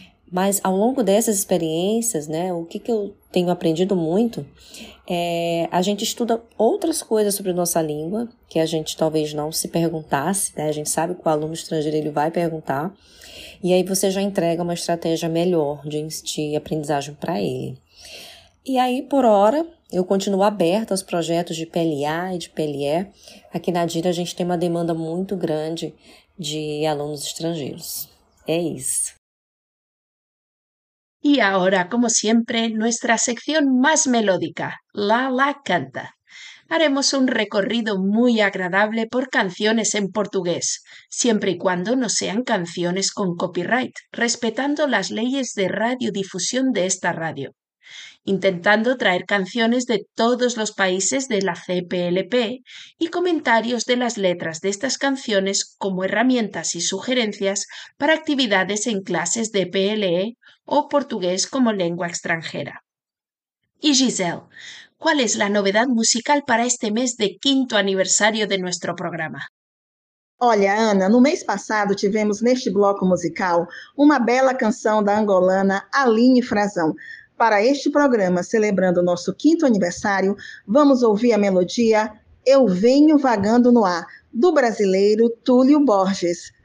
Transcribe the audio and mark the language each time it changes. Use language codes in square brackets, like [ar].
[pt] Mas ao longo dessas experiências, né, o que, que eu tenho aprendido muito é a gente estuda outras coisas sobre nossa língua, que a gente talvez não se perguntasse, né? A gente sabe que o aluno estrangeiro ele vai perguntar, e aí você já entrega uma estratégia melhor de aprendizagem para ele. E aí, por hora, eu continuo aberta aos projetos de PLA e de PLE. Aqui na DIRE a gente tem uma demanda muito grande de alunos estrangeiros. É isso. [es] Y ahora, como siempre, nuestra sección más melódica, Lala Canta. Haremos un recorrido muy agradable por canciones en portugués, siempre y cuando no sean canciones con copyright, respetando las leyes de radiodifusión de esta radio. Intentando traer canciones de todos los países de la CPLP y comentarios de las letras de estas canciones como herramientas y sugerencias para actividades en clases de PLE o portugués como lengua extranjera. Y Giselle, ¿cuál es la novedad musical para este mes de quinto aniversario de nuestro programa? [pt] Olha, Ana, no mês passado tivemos neste bloco musical uma bela canção da angolana Aline Frazão. Para este programa, celebrando nosso quinto aniversário, vamos ouvir a melodia Eu Venho Vagando no Ar, do brasileiro Túlio Borges.